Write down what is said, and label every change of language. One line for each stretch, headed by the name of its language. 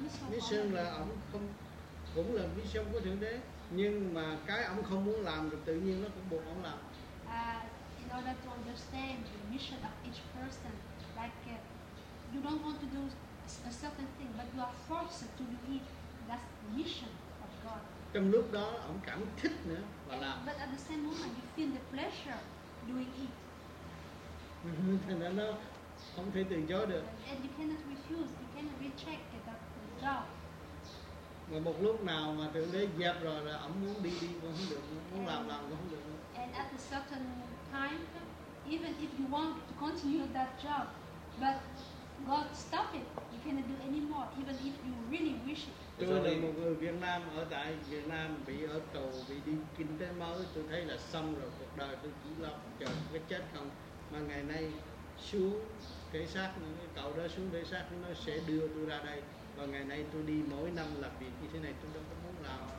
Vietnamese: Mission là ông không, cũng là mission của Thượng Đế, nhưng mà cái ông không muốn làm rồi tự nhiên nó cũng buộc ông làm.
English: In order to understand the mission of each person, like you don't want to do a certain thing, but you are forced to do it. That's the mission of God.
Vietnamese: Trong lúc đó, ông cảm thích nữa và làm.
English: But at the same moment, you feel the pleasure doing it.
Vietnamese: Thành ra nó không thể từ chối được.
English: And you cannot refuse, you cannot reject the job.
Vietnamese: Mà một lúc nào mà Thượng Đế dẹp rồi là ông muốn đi đi cũng không được, muốn làm cũng không được.
English: And at a certain time, even if you want to continue that job, but God stop it. You cannot do any more, even if you really wish it.
Vietnamese: Tôi là một người Việt Nam ở tại Việt Nam bị ở tù, bị đi kinh tế mới. Tôi thấy là xong rồi cuộc đời tôi chỉ lo chờ cái chết không. Mà ngày nay xuống thể xác, cậu đó xuống thể xác nó sẽ đưa tôi ra đây. Và ngày nay tôi đi mỗi năm làm việc như thế này tôi đâu có muốn làm.